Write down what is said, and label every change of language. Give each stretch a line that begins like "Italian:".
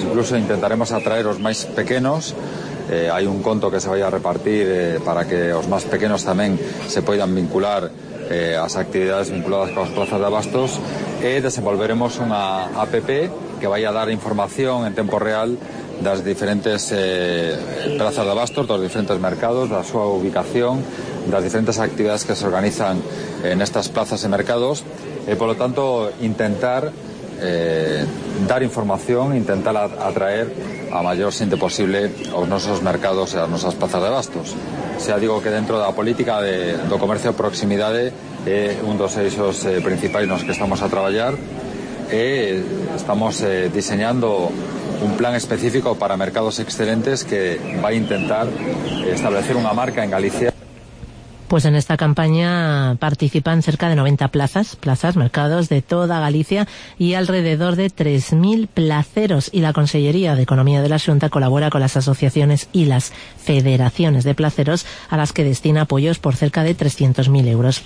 Galician: Incluso intentaremos atraer os máis pequenos.
Spanish: Hay un conto que se vaya a repartir para que los más pequeños también se puedan vincular a las actividades vinculadas con las plazas de abastos. Desenvolveremos una app que vaya a dar información en tiempo real
Galician: das diferentes plazas de abasto, dos diferentes mercados, da súa ubicación, das diferentes actividades que se organizan en estas plazas e mercados, e polo tanto intentar dar información, intentar atraer a maior xente posible aos nosos mercados e as nosas plazas de abastos. Xa digo que dentro da política do comercio de proximidade é un dos eixos principais nos que estamos a traballar, e estamos diseñando un plan específico para mercados excelentes que vai intentar establecer unha marca en Galicia.
Spanish: Pues en esta campaña participan cerca de 90 plazas, mercados de toda Galicia y alrededor de 3.000 placeros. Y la Consellería de Economía de la Xunta colabora con las asociaciones y las federaciones de placeros, a las que destina apoyos por cerca de 300.000 euros.